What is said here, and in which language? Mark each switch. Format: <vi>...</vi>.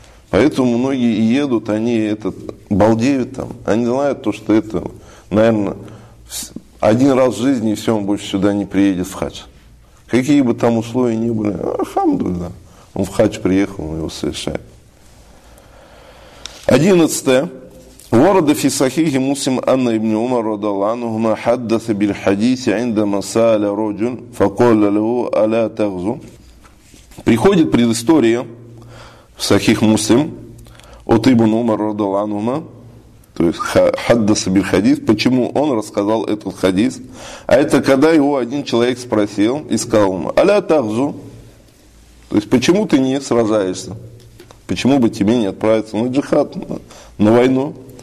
<ru>Поэтому многие едут, они этот, балдеют там. Они знают то, что это, наверное, один раз в жизни, и все, он больше сюда не приедет в хадж. Какие бы там условия ни были, альхамдулилля, он в хадж приехал, он его совершает. 11.</ru> <ar>ورد في صحيح مسلم أن ابن عمر رضي الله عنهما حدث بالحديث عندما سأل رجل فقال له ألا تغزو.</ar> <ru>Приходит предыстория в صحيح مسلم от ابن عمر</ru> <ar>رضي الله عنهما,</ar> <ru>то есть</ru> <ar>حدث بالحديث,</ar> <ru>почему он рассказал этот хадис, а это когда его один человек спросил и сказал ему</ru> <ar>ألا تغزو,</ar> <ru>то есть почему ты не сражаешься, почему бы тебе не отправиться на джихад, на войну.</ru>